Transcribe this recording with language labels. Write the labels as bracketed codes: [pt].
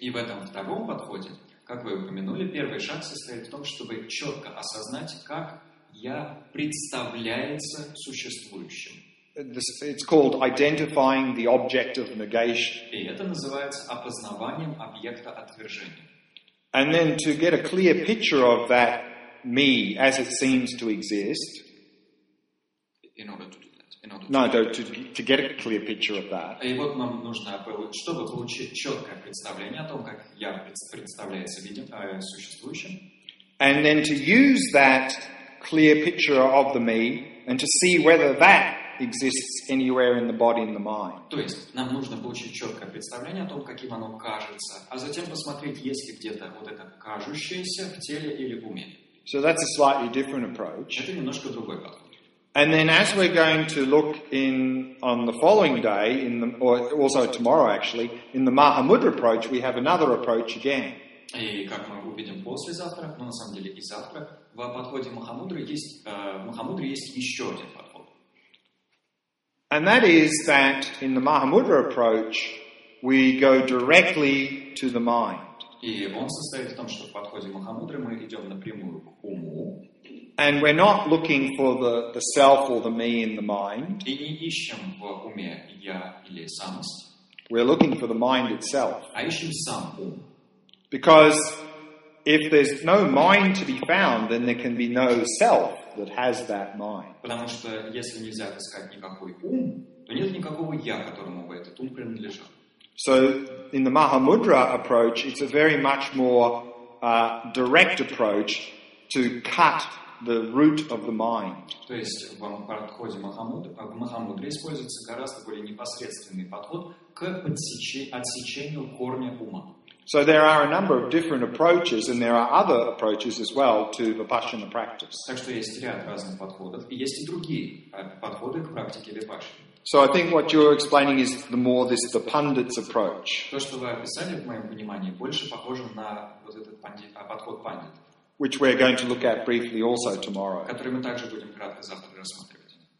[ru] И в этом втором подходе, как вы упомянули, первый шаг состоит в том, чтобы четко осознать, как я представляется существующим. [en] It's called identifying the object of negation. [ru] И это называется опознаванием объекта отвержения. [en] And then to get a clear picture of that me as it seems to exist. In order to do that. To get a clear picture of that. [ru] И вот нам нужно, чтобы получить четкое представление о том, как я представляю себя существующим. [en] And then to use that clear picture of the me and to see whether that exists anywhere in the body and the mind. [ru] То есть нам нужно получить четкое представление о том, каким оно кажется, а затем посмотреть, есть ли где-то вот это кажущееся в теле или в уме. [en] So that's a slightly different approach. [ru] Это немножко другой подход. [en] And then as we're going to look in on the following day, in the, or also tomorrow actually, in the Mahamudra approach, we have another approach again. [ru] И как мы увидим послезавтра, но на самом деле и завтра, в подходе Махамудры есть еще один подход. [en] And that is that in the Mahamudra approach, we go directly to the mind. [ru] И он состоит в том, что в подходе Махамудры мы идем напрямую к уму. [en] And we're not looking for the self or the me in the mind. [ru] И не ищем в уме я или самость. [en] We're looking for the mind itself. [ru] А ищем сам ум. [en] Because if there's no mind to be found, then there can be no self. That has that mind. [ru] Потому что если нельзя искать никакой ум, то нет никакого я, которому бы этот ум принадлежал. [en] So in the Mahamudra approach, it's a very much more direct approach to cut the root of the mind. [ru] То есть в подходе Махамудры используется гораздо более непосредственный подход к отсечению корня ума. [en] So there are a number of different approaches, and there are other approaches as well to Vipassana practice. [ru] Так что есть ряд разных подходов, и есть и другие подходы к практике Vipassana. [en] So I think what you're explaining is the more this the pundit's approach. [ru] То, что вы описали, в моем понимании, больше похоже на вот этот подход пандит. [en] Which we're going to look at briefly also tomorrow. [ru] Который мы также будем кратко завтра рассматривать.